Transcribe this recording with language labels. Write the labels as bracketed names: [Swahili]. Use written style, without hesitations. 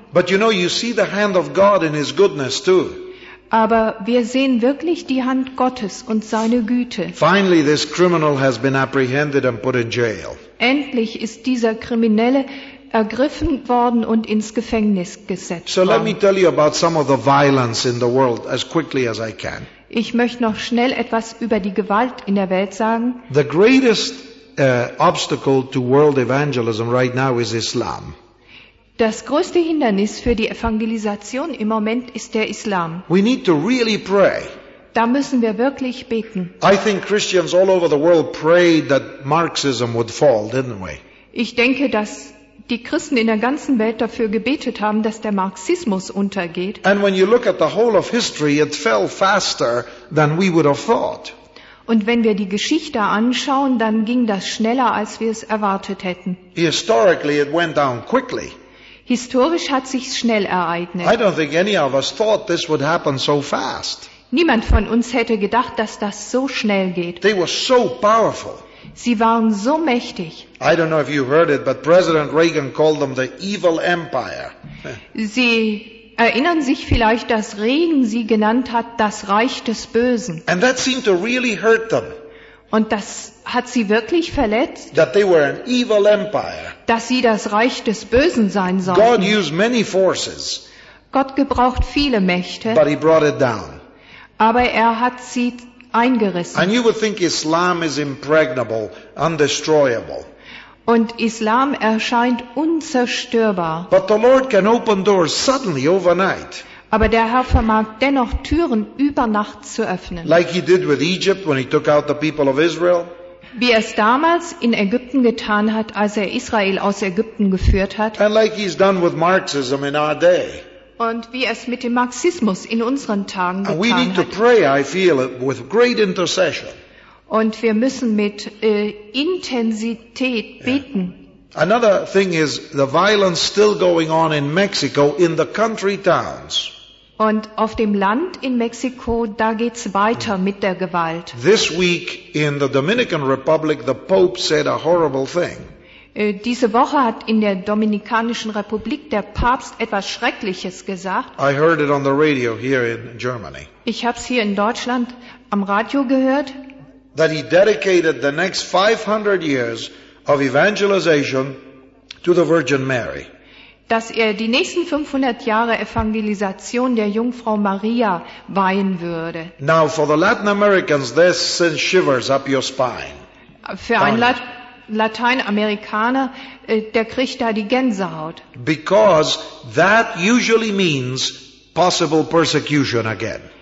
[English] But you know, you see the hand of God in His goodness too. [German] Aber wir sehen wirklich die Hand Gottes und seine Güte. [English] Finally, this criminal has been apprehended and put in jail. [German] Endlich ist dieser Kriminelle ergriffen worden und ins Gefängnis gesetzt worden. [English] So let me tell you about some of the violence in the world as quickly as I can. [German] Ich möchte noch schnell etwas über die Gewalt in der Welt sagen. [English] The greatest obstacle to world evangelism right now is Islam. [German] Das größte Hindernis für die Evangelisation im Moment ist der Islam. [English] We need to really pray. [German] Da müssen wir wirklich beten. [English] I think Christians all over the world prayed that Marxism would fall, didn't we? [German] Ich denke, dass die Christen in der ganzen Welt dafür gebetet haben, dass der Marxismus untergeht. [English] And when you look at the whole of history, it fell faster than we would have thought. [German] Und wenn wir die Geschichte anschauen, dann ging das schneller, als wir es erwartet hätten. [English] Historically, it went down quickly. [German] Historisch hat sich schnell ereignet. [English] I don't think any of us thought this would happen so fast. [German] Niemand von uns hätte gedacht, dass das so schnell geht. [English] They were so powerful. [German] Sie waren so mächtig. [English] I don't know if you heard it, but President Reagan called them the evil empire. [German] Sie erinnern sich vielleicht, dass Reagan sie genannt hat, das Reich des Bösen. [English] And that seemed to really hurt them. [German] Und das hat sie wirklich verletzt. [English] That they were an evil empire. [German] Dass sie das Reich des Bösen sein sollten. [English] God used many forces. [German] Gott gebraucht viele Mächte. [English] But he brought it down. [German] Aber er hat sie eingerissen. [English] And you would think Islam is impregnable, undestroyable. [German] Und Islam erscheint unzerstörbar. [English] But the Lord can open doors suddenly overnight. [German] Aber der Herr vermag dennoch Türen über Nacht zu öffnen. [English] Like he did with Egypt when he took out the people of Israel. [German] Wie er es damals in Ägypten getan hat, als er Israel aus Ägypten geführt hat. [English] And like he's done with Marxism in our day. [German] Und wie er es mit dem Marxismus in unseren Tagen getan hat. [English] And we need [German] hat. [English] To pray, I feel, with great intercession. [German] Und wir müssen mit Intensität beten. [English] Another thing is the violence still going on in Mexico in the country towns. [German] Und auf dem Land in Mexiko, da geht's weiter mit der Gewalt. [English] This week in the Dominican Republic, the Pope said a horrible thing. [German] Diese Woche hat in der Dominikanischen Republik der Papst etwas Schreckliches gesagt. [English] I heard it on the radio here in Germany. [German] Ich hab's hier in Deutschland am Radio gehört. [English] That he dedicated the next 500 years of evangelization to the Virgin Mary. [German] dass er die nächsten 500 Jahre Evangelisation der Jungfrau Maria weihen würde. [English] Now for the Latin Americans, this sends shivers up your spine. [German] Für einen Lateinamerikaner, der kriegt da die Gänsehaut. [English] Because that usually means possible persecution again.